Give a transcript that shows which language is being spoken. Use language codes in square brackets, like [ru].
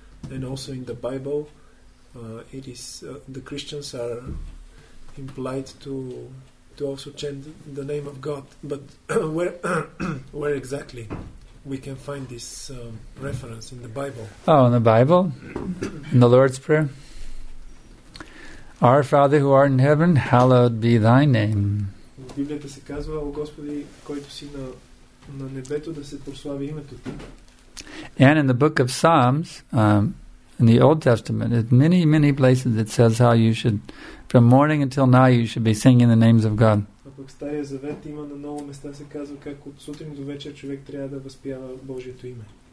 [en] And also in the Bible, it is the Christians are implied to also chant the name of God. But where exactly we can find this reference in the Bible? Oh, in the Bible, in the Lord's Prayer. Our Father who art in heaven, hallowed be thy name. [bg] Библията се казва, о Господи, който си на небето, да се прослави името ти. [en] And in the book of Psalms, in the Old Testament, in many, many places it says how you should, from morning until night, you should be singing the names of God. [bg] А пък в Стария Завет има на много места се казва как от сутрин до вечер човек трябва да възпява Божието име.